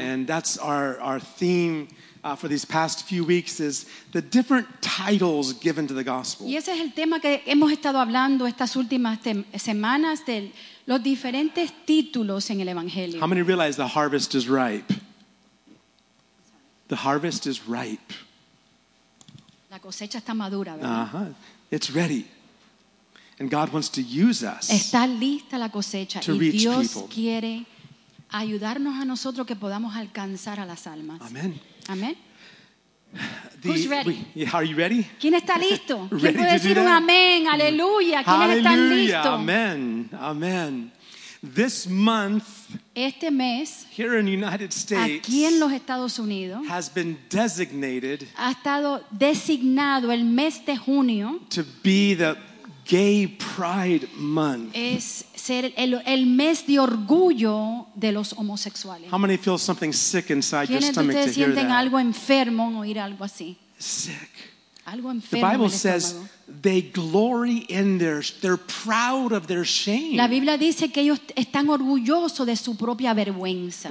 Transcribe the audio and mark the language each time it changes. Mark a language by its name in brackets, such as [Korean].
[English] And that's our theme for these past few weeks is the different titles given to the gospel. [Spanish] Y ese es el tema que hemos estado hablando estas últimas semanas de los diferentes títulos en el evangelio. [English] How many realize the harvest is ripe? The harvest is ripe. [Spanish] La cosecha está madura, ¿verdad? [English] Uh-huh. It's ready. And God wants to use us. [Spanish] Está lista la cosecha y Dios quiere ayudarnos a nosotros que podamos alcanzar a las almas. [English] Amen. Amen. Who's ready? Are you ready? [Spanish] ¿Quién está listo? [English] Ready [Spanish] ¿Quién puede decir un amén? Aleluya. ¿Quién está listo? [English] Amen. Amen. This month, [Spanish] este mes, [English] here in the United States, [Spanish] aquí en los Estados Unidos, [English] has been designated, [Spanish] ha estado designado el mes de junio, [English] to be the Gay Pride Month. [Spanish] Es ser el mes de orgullo de los homosexuales. [English] How many feel something sick inside your stomach to hear that? [Spanish] ¿Quiénes de ustedes sienten algo enfermo en oír algo así? [English] Sick. [Spanish] Algo enfermo. [English] The Bible says they glory in they're proud of their shame. [Spanish] La Biblia dice que ellos están orgullosos de su propia vergüenza.